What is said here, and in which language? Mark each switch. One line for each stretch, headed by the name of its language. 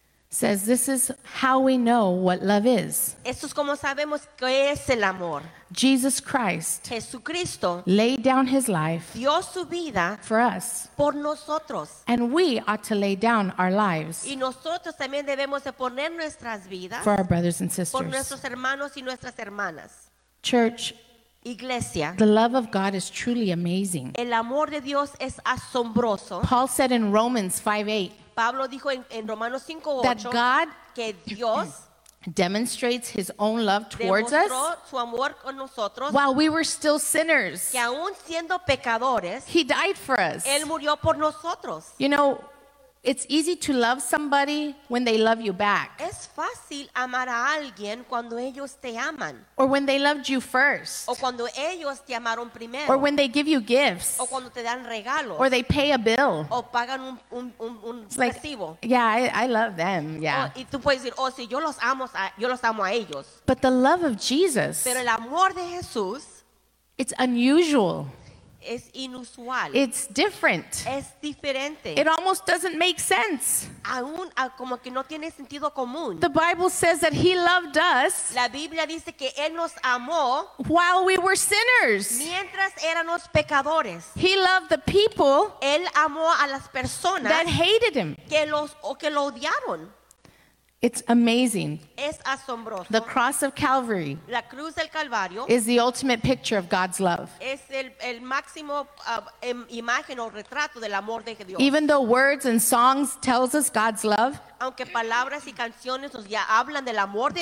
English: Says this is how we know what love is.
Spanish: Esto es como sabemos qué es el amor.
English: Jesus Christ,
Spanish: Jesucristo,
English: laid down his life,
Spanish: dio su vida,
English: for us,
Spanish: por nosotros,
English: and we ought to lay down our lives,
Spanish: y nosotros también debemos de poner nuestras vidas,
English: for our brothers and sisters,
Spanish: por nuestros hermanos y nuestras hermanas.
English: Church,
Spanish: Iglesia,
English: the love of God is truly amazing.
Spanish: El amor de Dios es asombroso.
English: Paul said in Romans 5:8.
Spanish: Pablo dijo en Romanos 5:8
English: that God
Spanish: que Dios
English: demonstrates his own love towards us
Spanish: su amor con nosotros,
English: while we were still sinners.
Spanish: Que aun siendo pecadores,
English: he died for us.
Spanish: Él murió por nosotros.
English: You know, it's easy to love somebody when they love you back.
Spanish: Es fácil amar a alguien cuando ellos te aman.
English: Or when they loved you first.
Spanish: O cuando ellos te amaron primero.
English: Or when they give you gifts.
Spanish: O cuando te dan regalos.
English: Or they pay a bill.
Spanish: O pagan un recibo.
English: Like, yeah, I love them. Yeah.
Spanish: Oh, y tú puedes decir, oh, sí, yo los amo a ellos.
English: But the love of Jesus.
Spanish: Pero el amor de Jesús.
English: It's unusual.
Spanish: Es inusual.
English: It's different.
Spanish: Es diferente.
English: It almost doesn't make sense.
Spanish: Aún como que no tiene sentido común.
English: The Bible says that he loved us.
Spanish: La Biblia dice que él nos amó
English: while we were sinners.
Spanish: Mientras éramos pecadores.
English: He loved the people.
Spanish: Él amó a las personas
English: that hated him.
Spanish: Que lo odiaron.
English: It's amazing.
Spanish: Es asombroso.
English: The cross of Calvary,
Spanish: la cruz del Calvario,
English: is the ultimate picture of God's love.
Spanish: Es el máximo imagen o retrato del amor de Dios.
English: Even though words and songs tells us God's love,
Spanish: aunque palabras y canciones nos ya hablan del amor de